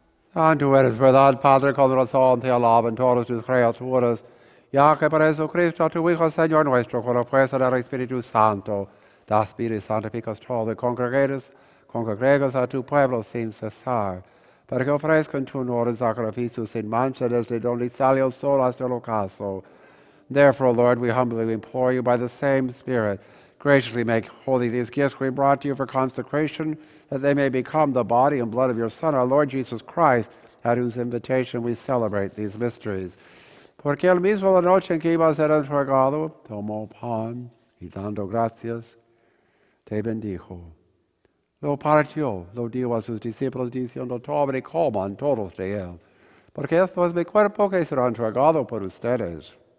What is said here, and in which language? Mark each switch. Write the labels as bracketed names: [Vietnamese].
[Spanish] Santo eres, verdad, Padre, con razón te alaban todas tus criaturas, ya que por Jesucristo, tu Hijo, Señor nuestro, con la fuerza del Espíritu Santo, das vida y santificas todo, y congregas a tu pueblo sin cesar, para que ofrezcan tu honor en sacrificio sin mancha desde donde sale el sol hasta el ocaso. [English] Therefore, Lord, we humbly implore you by the same Spirit, graciously make holy these gifts we brought to you for consecration, that they may become the body and blood of your Son, our Lord Jesus Christ, at whose invitation we celebrate these mysteries. [Spanish] Porque el mismo la noche en que iba a ser entregado, tomó pan y dando gracias, te bendijo. Lo partió, lo dio a sus discípulos diciendo, tomen y coman todos de él, porque esto es mi cuerpo que será entregado por ustedes.